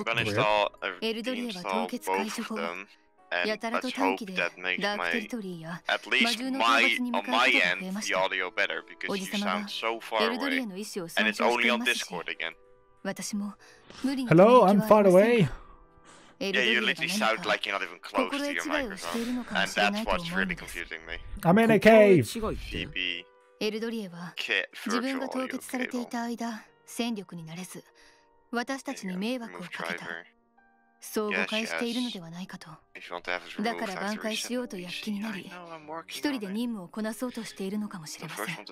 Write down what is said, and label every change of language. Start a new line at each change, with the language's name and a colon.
Japanese: って？エルドリエは凍結解除後、やたらと短期でダークテリトリーや魔獣の討伐に向かうことが増えました。おじさまがエルドリエの意思を尊重していますし、私も無理に
English: Hello, I'm far away. Yeah, you literally sound like you're not even close to your microphone, and that's what's really confusing me. I'm in a cave. DB.
Japanese: エルドリエは自分が凍結されていた間戦力になれず私たちに迷惑をかけた。そう誤解しているのではないかと。だから挽回しようと躍起になり一人で任務をこなそうとしているのかもしれません。